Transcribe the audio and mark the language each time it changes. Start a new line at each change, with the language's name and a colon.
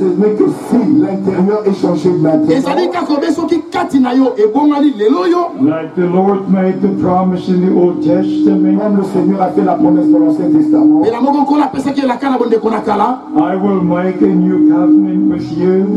French: Ce n'est que si l'intérieur est changé maintenant.
English: Like the Lord made the promise in the Old Testament.
French: Même le Seigneur a fait la promesse dans l'Ancien Testament.
English: I will make a new covenant with you.